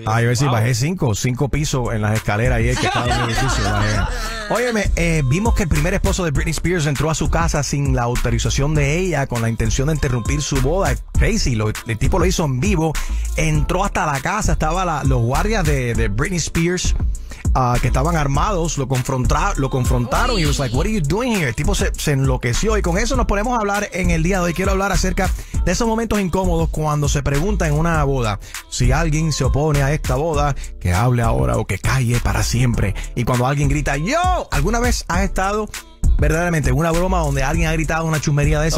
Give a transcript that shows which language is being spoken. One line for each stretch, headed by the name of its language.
Spanish: Ah, yo decía, bajé 5 pisos en las escaleras y el que estaba en el edificio. Óyeme, vimos que el primer esposo de Britney Spears entró a su casa sin la autorización de ella, con la intención de interrumpir su boda.
English: Crazy,
Spanish: el tipo lo hizo en vivo. Entró hasta la casa, estaban los guardias de Britney Spears. Que estaban armados, lo confrontaron. Uy. Y
English: was like, what are you doing here?
Spanish: El tipo se enloqueció. Y con eso nos ponemos a hablar en el día de hoy. Quiero hablar acerca de esos momentos incómodos cuando se pregunta en una boda. Si alguien se opone a esta boda, que hable ahora o que calle para siempre. Y cuando alguien grita, yo, ¿alguna vez has estado verdaderamente una broma donde alguien ha gritado una chusmería de esa?